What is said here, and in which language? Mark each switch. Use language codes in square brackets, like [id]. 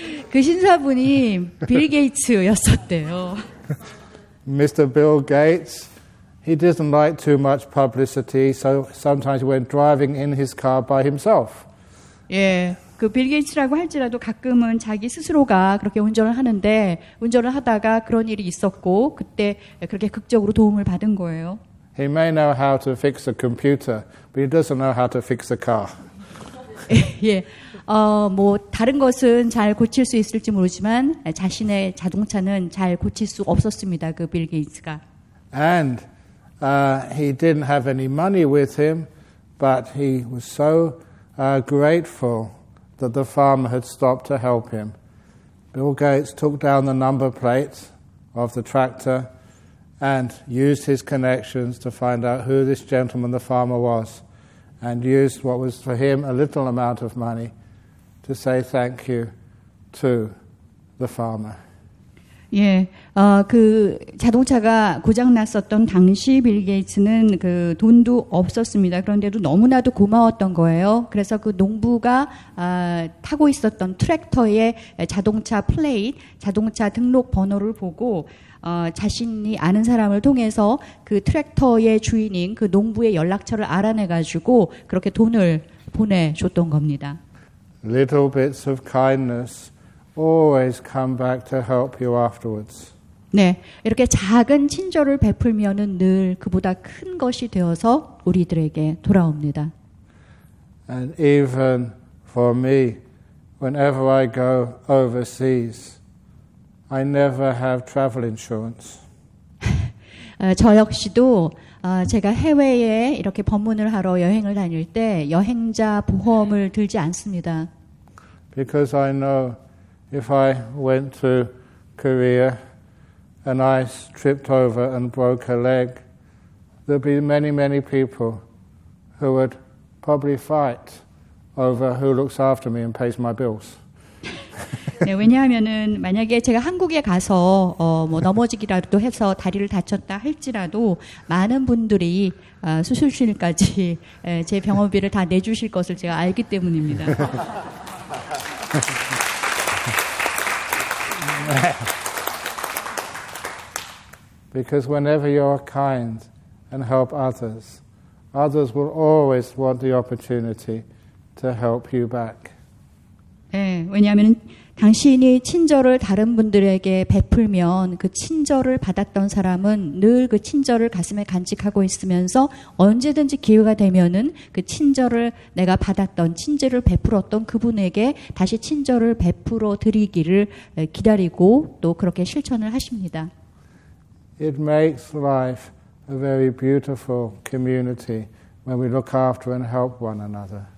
[ko] 그 신사분이 빌 게이츠였었대요. [en] Mr. Bill Gates, he doesn't like too much publicity, so sometimes he went driving in his car by himself. [ko] 예. 그 빌 게이츠라고 할지라도 가끔은 자기 스스로가 그렇게 운전을 하는데 운전을 하다가 그런 일이 있었고 그때 그렇게 극적으로 도움을 받은 거예요. [en] He may know how to fix a computer, but he doesn't know how to fix a car. [ko] 예. 뭐 다른 것은 잘 고칠 수 있을지 모르지만 자신의 자동차는 잘 고칠 수 없었습니다. 그 빌 게이츠가. [en] And he didn't have any money with him, but he was so grateful that the farmer had stopped to help him. Bill Gates took down the number plate of the tractor and used his connections to find out who this gentleman, the farmer, was, and used what was for him a little amount of money to say thank you to the farmer. [ko] 예, 그 자동차가 고장 났었던 당시 빌 게이츠는 그 돈도 없었습니다. 그런데도 너무나도 고마웠던 거예요. 그래서 그 농부가 타고 있었던 트랙터의 자동차 플레이트, 자동차 등록 번호를 보고 자신이 아는 사람을 통해서 그 트랙터의 주인인 그 농부의 연락처를 알아내가지고 그렇게 돈을 보내줬던 겁니다. [en] Little bits of kindness always come back to help you afterwards. [ko] 네, 이렇게 작은 친절을 베풀면은 늘 그보다 큰 것이 되어서 우리들에게 돌아옵니다. [en] And even for me, whenever I go overseas, I never have travel insurance. [ko] 저 역시도 제가 해외에 이렇게 법문을 하러 여행을 다닐 때 여행자 보험을 들지 않습니다. [en] Because I know if I went to Korea and I tripped over and broke a leg, there'd be many, many people who would probably fight over who looks after me and pays my bills. [ko] 네, 왜냐하면은 만약에 제가 한국에 가서 뭐 넘어지기라도 해서 다리를 다쳤다 할지라도 많은 분들이 수술실까지 제 병원비를 다 내주실 것을 제가 알기 때문입니다. [en] Because whenever you are kind and help others, others will always want the opportunity to help you back. [ko] 네, 왜냐하면 당신이 친절을 다른 분들에게 베풀면 그 친절을 받았던 사람은 늘 그 친절을 가슴에 간직하고 있으면서 언제든지 기회가 되면은 그 친절을 내가 받았던 친절을 베풀었던 그분에게 다시 친절을 베풀어 드리기를 기다리고 또 그렇게 실천을 하십니다. [en] It makes life a very beautiful community when we look after and help one another.